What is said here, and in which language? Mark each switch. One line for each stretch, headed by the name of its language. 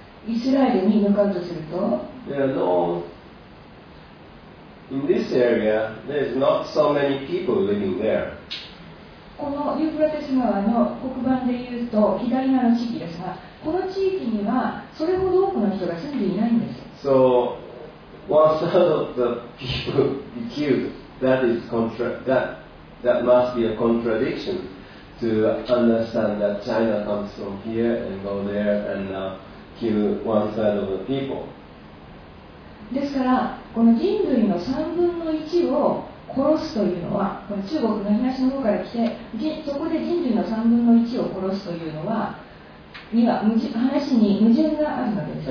Japanese: イスラエルに向かうとすると、
English: there are no in this area. There is not so many people living there.
Japanese: このユーフラテス川の黒板でいうと左側の地域ですが、この地域にはそれほど多くの人が住んでいないんです。
English: So one third of the people be killed. That is that must be a contradiction. To understand that China comes from here and go there and kill one third of the people.
Japanese: ですから、この人類の3分の1を殺すというのは、この中国の東の方から来て、そこで人類の3分の1を殺すというのは、には話に矛盾があるわけです。